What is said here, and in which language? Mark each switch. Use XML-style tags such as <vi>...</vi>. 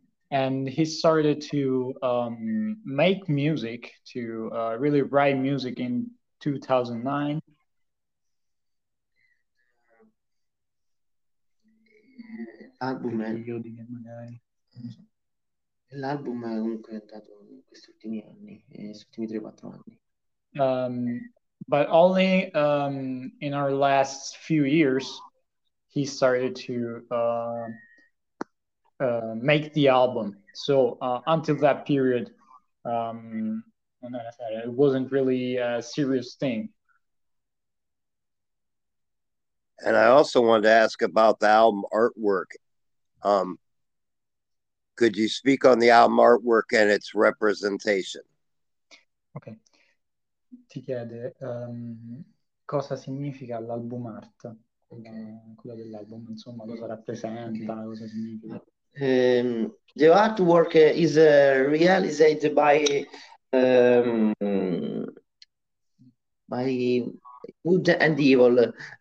<en>And he started to make music, to really write music in 2009.</en> <it>L'album è comunque andato in questi ultimi anni, questi ultimi 3-4 anni.</it> <en>But only in our last few years, he started to make the album. So until that period, it wasn't really a serious thing. And I also wanted to ask about the album artwork. Could you speak on the album artwork and its representation? Okay.</en> <it>Ti chiede cosa significa l'album art, quello dell'album, insomma, cosa rappresenta, cosa significa.</it> <en>The artwork is realized by Good and Evil.</en>